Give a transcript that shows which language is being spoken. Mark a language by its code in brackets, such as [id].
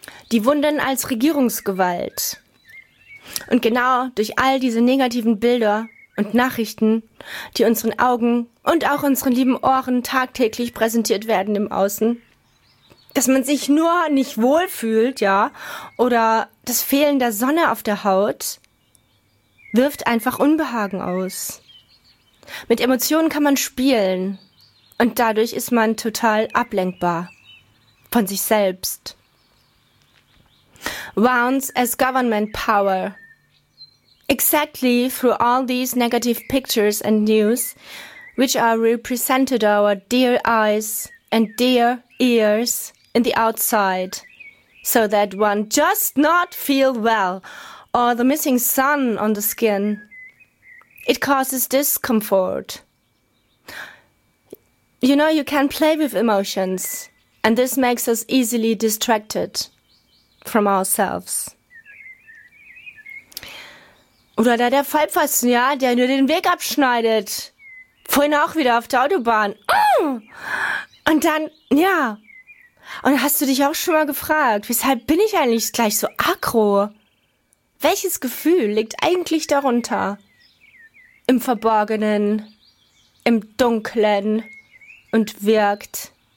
[de] Die Wunden als Regierungsgewalt. Und genau durch all diese negativen Bilder und Nachrichten, die unseren Augen und auch unseren lieben Ohren tagtäglich präsentiert werden im Außen, dass man sich nur nicht wohl fühlt, ja, oder das Fehlen der Sonne auf der Haut, wirft einfach Unbehagen aus. Mit Emotionen kann man spielen und dadurch ist man total ablenkbar von sich selbst. [en] Wounds as government power. Exactly through all these negative pictures and news, which are represented our dear eyes and dear ears in the outside, so that one just not feel well, or the missing sun on the skin. It causes discomfort. You know, you can play with emotions, and this makes us easily distracted from ourselves. [de] Oder da der Vollpfosten, ja, der nur den Weg abschneidet. Vorhin auch wieder auf der Autobahn. Und dann, ja. Und hast du dich auch schon mal gefragt, weshalb bin ich eigentlich gleich so aggro? Welches Gefühl liegt eigentlich darunter? Im Verborgenen, im Dunklen und wirkt.